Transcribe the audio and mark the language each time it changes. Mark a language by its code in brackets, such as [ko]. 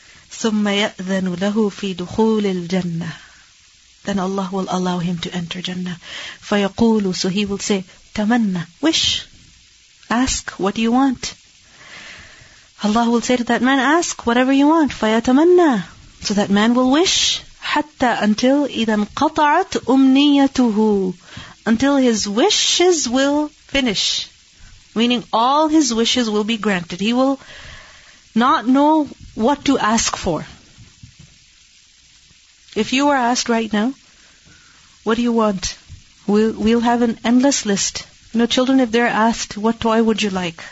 [ar] ثُمَّ يَأْذَنُ لَهُ فِي دُخُولِ الْجَنَّةِ. [en] Then Allah will allow him to enter Jannah. [ar] فَيَقُولُ. [en] So he will say, [ar] تَمَنَّ. [en] Wish. Ask, what do you want? Allah will say to that man, ask whatever you want. [ar] فَيَتَمَنَّ. [en] So that man will wish. [ar] حَتَّى. [en] Until [ar] إِذَا انْقَطَعَتْ أُمْنِيَتُهُ. [en] Until his wishes will finish. Meaning all his wishes will be granted. He will not know what to ask for. If you were asked right now, what do you want? We'll have an endless list. You know, children, if they're asked, what toy would you like?